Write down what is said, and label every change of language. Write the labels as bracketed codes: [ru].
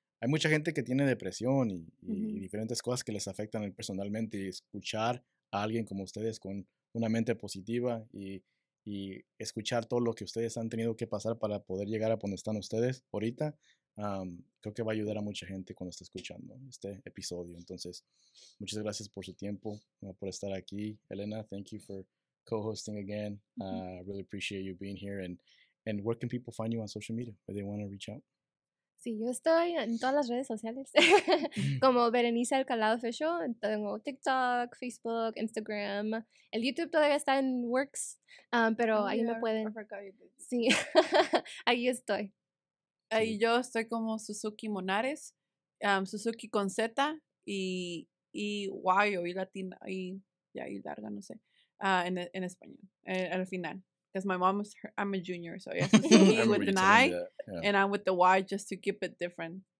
[es] Hay mucha gente que tiene depresión y diferentes cosas que les afectan personalmente, y escuchar a alguien como ustedes con una mente positiva y escuchar todo lo que ustedes han tenido que pasar para poder llegar a donde están ustedes ahorita, creo que va a ayudar a mucha gente cuando está escuchando este episodio. Entonces, muchas gracias por su tiempo, por estar aquí. [en] Elena, thank you for co-hosting again. I really appreciate you being here. And where can people find you on social media? If they want to reach out? [es] Sí, yo estoy en todas las redes sociales. Como Berenice Alcalá Official. Tengo TikTok, Facebook, Instagram. El YouTube todavía está en works, pero ahí me pueden. Sí, ahí estoy. Ahí yo estoy como Suzuki Monares, Suzuki con Z y Y o Y latina y larga, no sé, en español, al final. [en] Because my mom is, I'm a junior, so yeah, Suzuki with an I, and I'm with the Y just to keep it different.